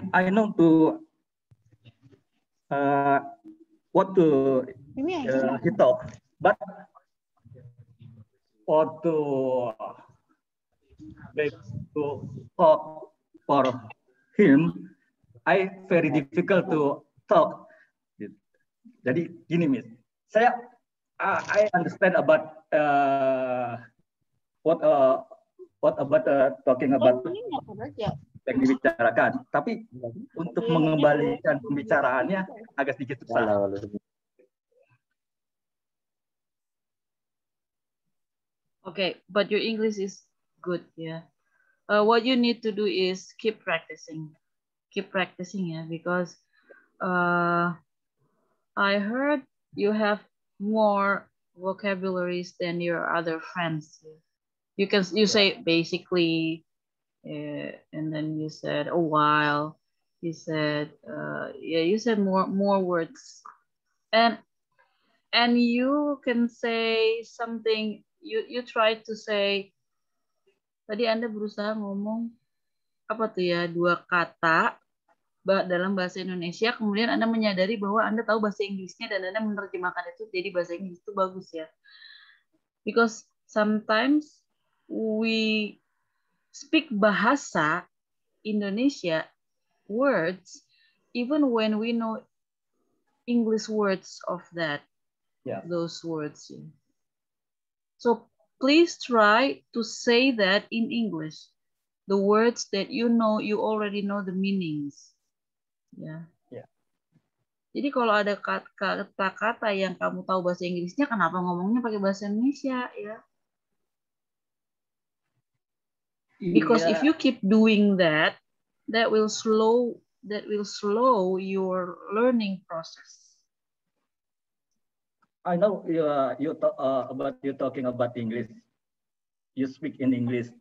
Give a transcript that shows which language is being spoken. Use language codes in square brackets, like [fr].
[en] know what to talk, but for to make to talk for him, I very difficult to talk. [id] Jadi gini Miss, saya [en] I understand about [id] yang dibicarakan, tapi untuk mengembalikan pembicaraannya agak sedikit susah. Halo. [en] Okay, but your English is good, yeah. What you need to do is keep practicing, yeah, because I heard you have more vocabularies than your other friends. You say basically, and then you said a while. You said you said more words, and you can say something. You try to say. [id] Tadi Anda berusaha ngomong apa tuh ya, dua kata dalam bahasa Indonesia, kemudian Anda menyadari bahwa Anda tahu bahasa Inggrisnya dan Anda menerjemahkan itu jadi bahasa Inggris, itu bagus ya. [en] Because sometimes we speak bahasa Indonesia words even when we know English words of that, yeah, those words. So please try to say that in English, the words that you know, you already know the meanings. [id] Jadi kalau ada kata-kata yang kamu tahu bahasa Inggrisnya, kenapa ngomongnya pakai bahasa Indonesia, ya? [en] Because if you keep doing that, that will slow your learning process. I know you're talking about English. You speak in English.